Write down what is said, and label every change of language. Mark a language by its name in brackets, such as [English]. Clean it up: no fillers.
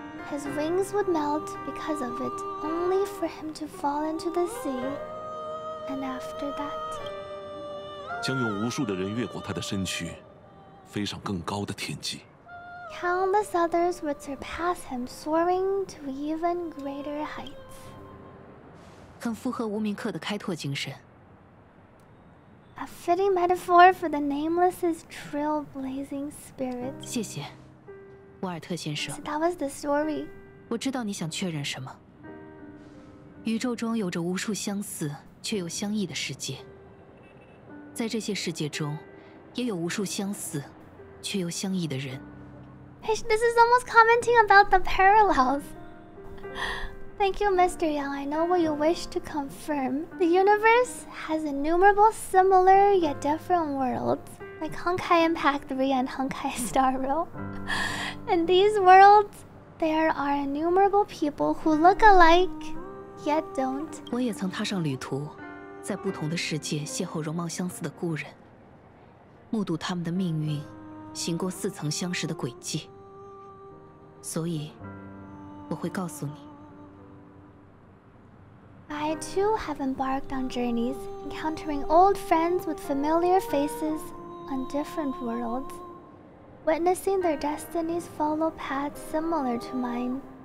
[English] His wings would melt because of it, only for him to fall into the sea, and after that, [Chinese] 将有无数的人越过他的身躯，飞上更高的天际。 [English] Countless others would surpass him, soaring to even greater heights. [Chinese] 很符合无名客的开拓精神。 [English] A fitting metaphor for the nameless's trailblazing spirit. [Chinese] 谢谢，沃尔特先生。 [English] So that was the story. [Chinese] 我知道你想确认什么。宇宙中有着无数相似却又相异的世界。在这些世界中，也有无数相似却又相异的人。 [English] This is almost commenting about the parallels. Thank you, Mr. Yang. I know what you wish to confirm. The universe has innumerable similar yet different worlds, like Honkai Impact 3 and Honkai Star Rail. In these worlds, there are innumerable people who look alike, yet don't. [Chinese] 我也曾踏上旅途，在不同的世界邂逅容貌相似的故人，目睹他们的命运，行过似曾相识的轨迹。所以，我会告诉你。 [English] I too have embarked on journeys, encountering old friends with familiar faces on different worlds, witnessing their destinies follow paths similar to mine.